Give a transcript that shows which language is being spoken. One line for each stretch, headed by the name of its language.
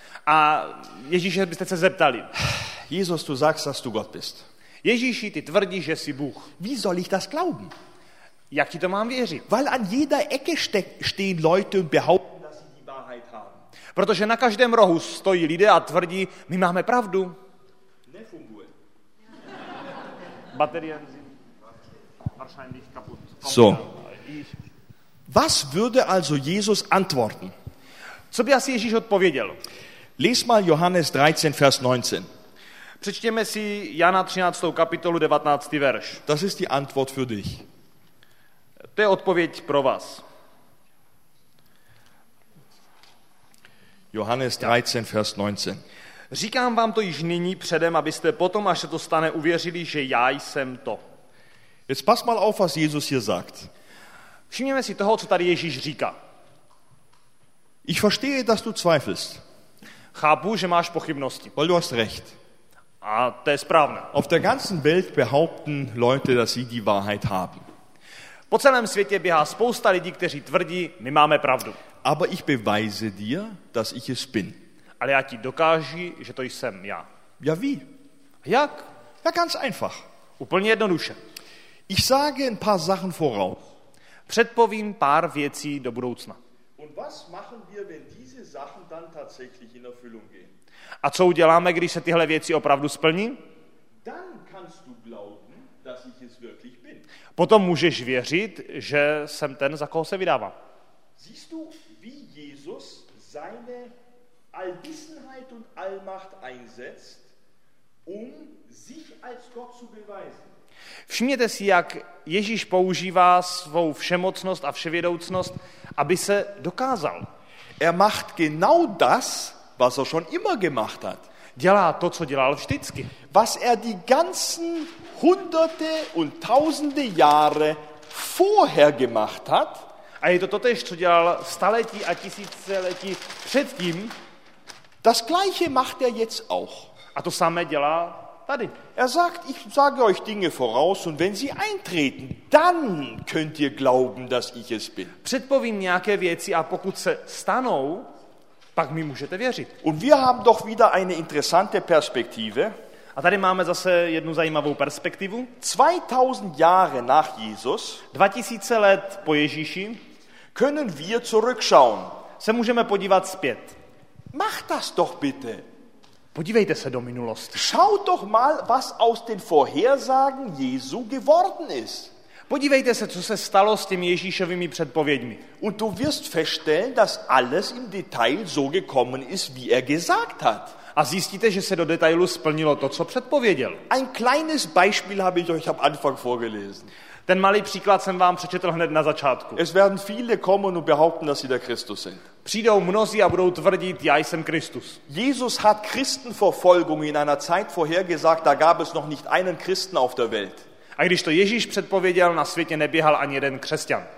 Czech: a Ježíše byste se zeptali,
German: Jesus, du sagst, dass du Gott bist.
Czech: Ježíši, ty tvrdíš, že jsi Bůh.
German: Wie soll ich das glauben?
Czech: Jak ti to mám věřit?
German: Weil an jeder Ecke stehen Leute und behaupten, dass sie die Wahrheit haben.
Czech: Protože na každém rohu stojí lidé a tvrdí, my máme pravdu. Nefunguje.
German: Baterie wahrscheinlich kaputt. So. Was würde also Jesus antworten?
Czech: Co by asi Ježíš odpověděl?
German: Lies mal Johannes 13, Vers 19.
Czech: Přečtěme si Jana 13. kapitolu 19. verš.
German: Das ist die Antwort für dich.
Czech: To je odpověď pro vás.
German: Johannes 13, vers 19.
Czech: Říkám vám to již nyní předem, abyste potom, až se to stane, uvěřili, že já jsem to.
German: Jetzt pass mal auf, was Jesus hier sagt.
Czech: Všimněme si toho, co tady Ježíš říká.
German: Ich verstehe, dass du zweifelst.
Czech: Chápu, že máš pochybnosti.
German: Weil du hast recht.
Czech: A to je správné.
German: Auf der ganzen Welt behaupten Leute, dass sie die Wahrheit haben.
Czech: Po celém světě běhá spousta lidí, kteří tvrdí, my máme pravdu.
German: Aber ich beweise dir, dass ich es bin.
Czech: Ale já ti dokážu, že to jsem já.
German: Ja, wie?
Czech: Jak?
German: Ja, ganz einfach.
Czech: Úplně jednoduše.
German: Ich sage ein paar Sachen voraus.
Czech: Předpovím pár věcí do budoucna.
German: Und was machen wir, wenn diese Sachen dann tatsächlich in Erfüllung gehen?
Czech: A co uděláme, když se tyhle věci opravdu splní?
German: Dann kannst du glauben, dass ich es wirklich bin.
Czech: Potom můžeš věřit, že jsem ten, za koho se vydávám.
German: Siehst du, wie Jesus seine Allwissenheit und Allmacht einsetzt, um sich als Gott zu beweisen?
Czech: Všimněte si, jak Ježíš používá svou všemocnost a vševědoucnost, aby se dokázal.
German: Er macht genau das, was er schon immer gemacht hat.
Czech: Dělá to, co dělal vždycky.
German: Was er die ganzen hunderte und tausende Jahre vorher gemacht hat.
Czech: A je to totéž, co dělal staletí a tisíciletí předtím.
German: Das gleiche macht er jetzt auch.
Czech: A to samé dělá tady.
German: Er sagt, ich sage euch Dinge voraus und wenn sie eintreten, dann könnt ihr glauben, dass ich es bin.
Czech: Předpovím nějaké věci a pokud se stanou, pak mi můžete věřit.
German: Und wir haben doch wieder eine interessante Perspektive.
Czech: A tady máme zase jednu zajímavou perspektivu.
German: 2000 Jahre nach Jesus.
Czech: 2000 let po Ježíši.
German: Können wir zurückschauen.
Czech: Se můžeme podívat zpět.
German: Mach das doch bitte.
Czech: Podívejte se do minulosti.
German: Schau doch mal, was aus den Vorhersagen Jesu geworden ist.
Czech: Podívejte se, co se stalo s těmi Ježíšovými předpověďmi.
German: Und du wirst feststellen, dass alles im Detail so gekommen ist, wie er gesagt hat.
Czech: A zjistíte, že se do detailu splnilo to, co předpověděl.
German: Ein kleines Beispiel habe ich euch am Anfang vorgelesen.
Czech: Ten malý příklad jsem vám přečetl hned na začátku.
German: Es werden viele kommen und behaupten, dass sie der Christus sind.
Czech: Přijdou mnozí a budou tvrdit, já jsem Kristus.
German: Jesus hat Christenverfolgung in einer Zeit vorhergesagt, da gab es noch nicht einen Christen auf der Welt.
Czech: A když to Ježíš předpověděl, na světě neběhal ani jeden křesťan.